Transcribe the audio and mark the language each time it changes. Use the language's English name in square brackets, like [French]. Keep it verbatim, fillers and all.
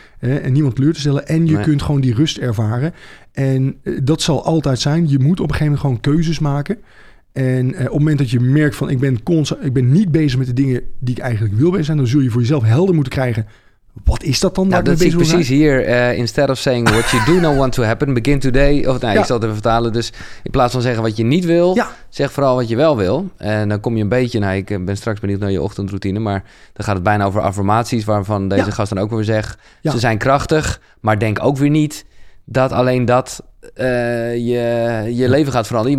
[Dutch] Eh, en niemand teleur te stellen. En je nee. kunt gewoon die rust ervaren. En eh, dat zal altijd zijn. Je moet op een gegeven moment gewoon keuzes maken. En eh, op het moment dat je merkt van... Ik ben, constant, ik ben niet bezig met de dingen die ik eigenlijk wil bezig zijn. Dan zul je voor jezelf helder moeten krijgen... Wat is dat dan? Nou, dat zie ik precies zijn? Hier. [English] Uh, instead of saying what you do not want to happen, begin today. [Dutch] Of nou, ja. ik zal het even vertalen. Dus in plaats van zeggen wat je niet wil, ja. zeg vooral wat je wel wil. En dan kom je een beetje... Nou, ik ben straks benieuwd naar je ochtendroutine, maar dan gaat het bijna over affirmaties, waarvan deze ja. gast dan ook weer zegt... Ja. Ze zijn krachtig, maar denk ook weer niet dat alleen dat uh, je, je leven gaat veranderen.